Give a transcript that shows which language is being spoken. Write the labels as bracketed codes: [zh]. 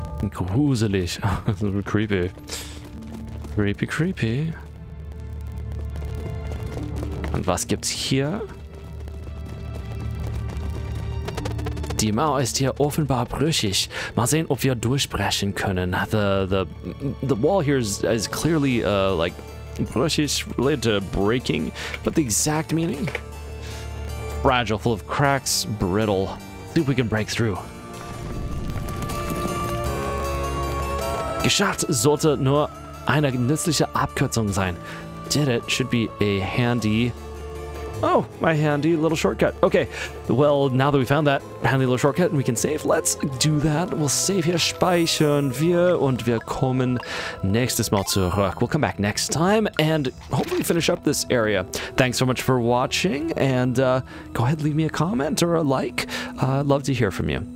[de] Gruselig. [en] Creepy. Creepy, creepy. [de] Und was gibt's hier? Die Mauer ist hier offenbar brüchig. Mal sehen, ob wir durchbrechen können. [en] The wall here is clearly, like, brüchig, related to breaking. But the exact meaning? Fragile, full of cracks, brittle. See if we can break through. [de] Geschafft sollte nur eine nützliche Abkürzung sein. [en] Did it should be a handy... Oh, my handy little shortcut. Okay, well, now that we found that handy little shortcut and we can save, let's do that. We'll save here, [de] speichern wir, und wir kommen nächstes Mal zurück. [en] We'll come back next time and hopefully finish up this area. Thanks so much for watching, and go ahead, leave me a comment or a like. I'd love to hear from you.